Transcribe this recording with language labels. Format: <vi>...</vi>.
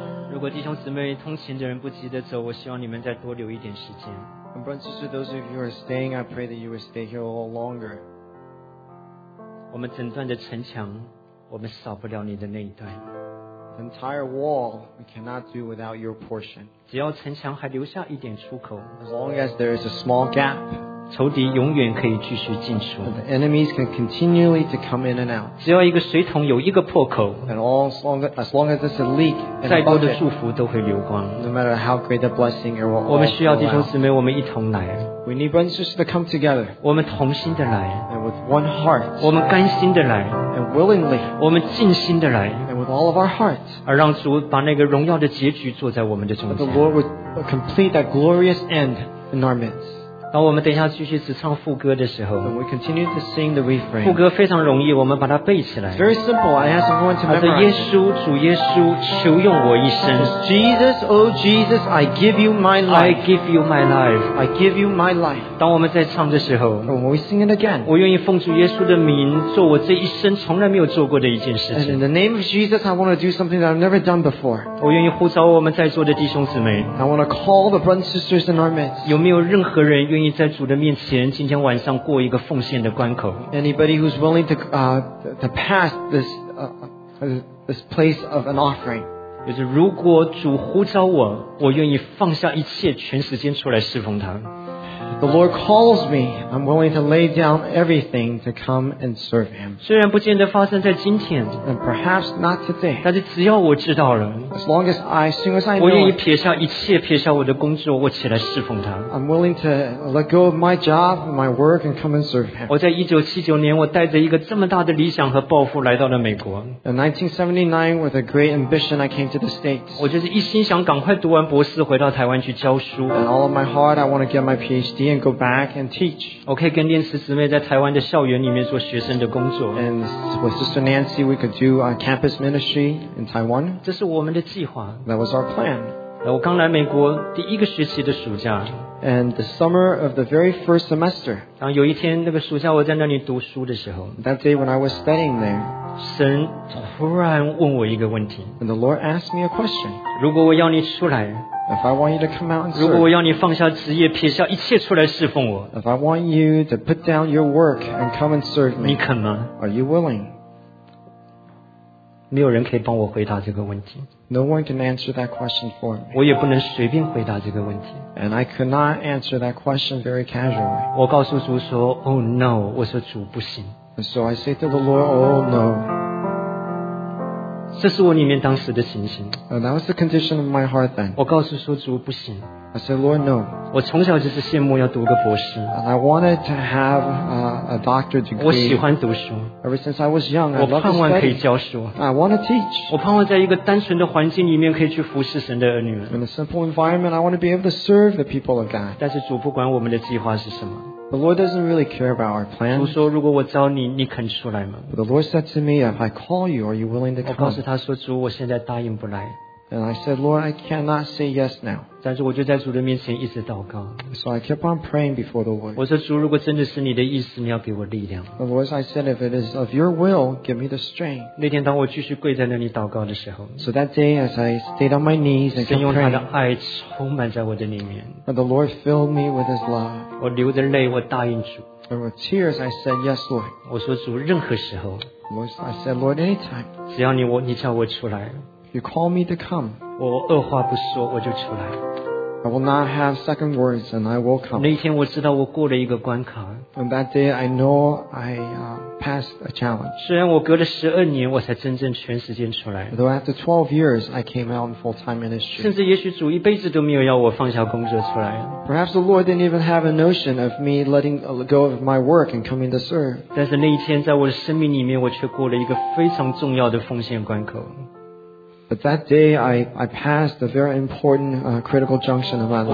<zh>如果弟兄姊妹通勤的人不急着走，我希望你们再多留一点时间。</zh> <en>And brothers and sisters, those of you who are staying, I pray that you will stay here a little longer.</en> <zh>我们整段的城墙，我们少不了你的那一段。</zh> <en>The entire wall, we cannot do without your portion.</en> <zh>只要城墙还留下一点出口</zh> <en>，As long as there is a small gap.</en> <zh>仇敌永远可以继续进出。</zh> <en>The enemies can continually to come in and out.</en> <zh>只要一个水桶有一个破口</zh> <en>，and all as long as there's a leak,</en> <zh>再多的祝福都会流光。</zh> <en>No matter how great the blessing, it will all go out.</en> <zh>我们需要弟兄姊妹，我们一同来。</zh> <en>We need brothers and sisters to come together.</en> <zh>我们同心的来。</zh> <en>And with one heart.</en> <zh>我们甘心的来。</zh> <en>And willingly.</en> <zh>我们尽心的来。</zh> <en>And with all of our hearts.</en> <zh>而让主把那个荣耀的结局坐在我们的中间。</zh> <en>The Lord would complete that glorious end in our midst.</en> <zh>当我们等一下继续只唱副歌的时候</zh> <en>we continue to sing the refrain.</en> <zh>副歌非常容易我们把它背起来</zh> <en>It's very simple, I ask everyone to memorize</en> <zh>耶稣主耶稣求用我一生</zh> <en>Jesus, oh Jesus, I give you my life I give you my life I give you my life</en> <zh>当我们在唱的时候</zh> <en>When we sing it again</en> <zh>我愿意奉主耶稣的名做我这一生从来没有做过的一件事情</zh> <en>And in the name of Jesus, I want to do something that I've never done before</en> <zh>我愿意呼召我们在座的弟兄姊妹</zh> <en>I want to call the brothers and sisters in our midst</en> <zh>有没有任何人愿意在主的面前今天晚上过一个奉献的关口</zh> <en>Anybody who's willing to pass this, this place of an offering</en> <zh>就是如果主呼召我我愿意放下一切全时间出来侍奉他</zh> <en>The Lord calls me I'm willing to lay down everything to come and serve him</en> <zh>虽然不见得发生在今天</zh> <en>And perhaps not today</en> <zh>但是只要我知道了</zh> <en>As long as I sing as I know</en> <zh>我愿意撇下一切撇下我的工作我起来侍奉他</zh> <en>I'm willing to let go of my job and my work and come and serve him</en> <zh>我在1979年我带着一个这么大的理想和抱负来到了美国</zh> <en>In 1979 with a great ambition I came to the States</en> <zh>我就是一心想赶快读完博士回到台湾去教书</zh> <en>And all of my heart I want to get my PhDand go back and teach.</en> <zh>我可以跟念慈姊妹在台湾的校园里面做学生的工作。</zh> <en>And with Sister Nancy, we could do our campus ministry in Taiwan.</en> <zh>这是我们的计划。</zh> <en>That was our plan.</en> <zh>我刚来美国第一个学期的暑假。</zh> <en>And the summer of the very first semester.</en> <zh>然后有一天那个暑假我在那里读书的时候。</zh> <en>That day when I was studying there.</en> <zh>神突然问我一个问题。</zh> <en>And the Lord asked me a question.</en> <zh>如果我要你出来。</zh> <en>If I want you to come out and serve,</en> <zh>如果我要你放下职业，撇下一切出来侍奉我</zh> <en>，If I want you to put down your work and come and serve me,</en> <zh>你肯吗</zh> <en>？Are you willing?</en> <zh>没有人可以帮我回答这个问题。</zh> <en>No one can answer that question for me.</en> <zh>我也不能随便回答这个问题。</zh> <en>And I could not answer that question very casually.</en> <zh>我告诉主说 ，</zh> <en>Oh no，</en> <zh>我说主不行。</zh> <en>And so I say to the Lord, Oh no.</en> <zh>这是我里面当时的情形。</zh> <en>And that was the condition of my heart then.</en> <zh>我告诉说主不行。</zh> <en>I said, Lord, no.</en> <zh>我从小就是羡慕要读个博士。</zh> <en>And I wanted to have a doctorate degree.</en> <zh>我喜欢读书。</zh> <en>Ever since I was young, I loved to study.</en> <zh>我盼望可以教书。</zh> <en>I want to teach.</en> <zh>我盼望在一个单纯的环境里面可以去服侍神的儿女。</zh> <en>In a simple environment, I want to be able to serve the people of God.</en> <zh>但是主不管我们的计划是什么。</zh> <en>The Lord doesn't really care about our plan.</en> <zh>主说如果我招你你肯出来吗</zh> <en>The Lord said to me, if I call you, are you willing to come?</en> <zh>我告诉他说主我现在答应不来</zh> <en>And I said, Lord, I cannot say yes now.</en> <zh>但是我就在主的面前一直祷告</zh> <en>So I kept on praying before the Lord.</en> <zh>我说主如果真的是你的意思你要给我力量</zh> <en>The Lord, I said, if it is of your will, give me the strength.</en> <zh>那天当我继续跪在那里祷告的时候</zh> <en>So that day, as I stayed on my knees and kept praying,</en> <zh>神用他的爱充满在我的里面</zh> <en>But the Lord filled me with his love.</en> <zh>我流着泪，我答应主。</zh> <en>And with tears, I said yes, Lord.</en> <zh>我说主，任何时候。</zh> <en>I said, Lord, anytime.</en> <zh>只要你叫我出来。</zh> <en>You call me to come.</en> <zh>我二话不说，我就出来。</zh> <en>I will not have second words, and I will come.</en> <zh>那一天我知道我过了一个关卡。</zh> <en>And that day, I know I passed a challenge.</en> <zh>虽然我隔了12年，我才真正全时间出来。</zh> <en>Though after 12 years, I came out in full-time ministry.</en> <zh>甚至也许主一辈子都没有要我放下工作出来。</zh> <en>Perhaps the Lord didn't even have a notion of me letting go of my work and coming to serve.</en> <zh>但是那一天在我的生命里面，我却过了一个非常重要的奉献关口。</zh> <en>But that day, I passed a very important critical junction of my life.</en>